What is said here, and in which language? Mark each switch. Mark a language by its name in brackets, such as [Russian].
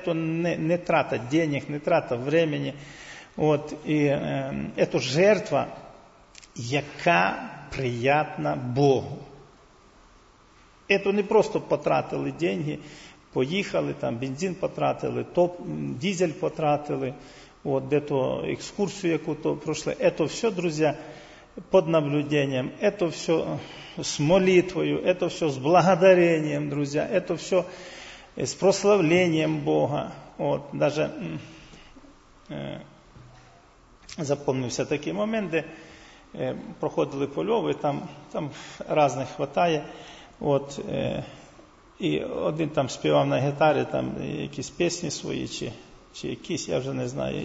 [Ukrainian] Це [Russian] не трата денег, не трата времени. [Ukrainian] От, і це жертва, яка приятна Богу. Це не просто потратили гроші, поїхали, там бензин потратили, топ, дизель потратили, от, де-то екскурсію яку-то пройшли. Це все, друзі, під [Russian] наблюдением, это все с молитвою, это все с благодарением, друзья, это все с прославлением Бога. Вот, даже [Ukrainian] запомнився такий момент, де проходили польови, там різних хватає. От, і один там співав на гітарі, там якісь пісні свої, чи якісь, я вже не знаю.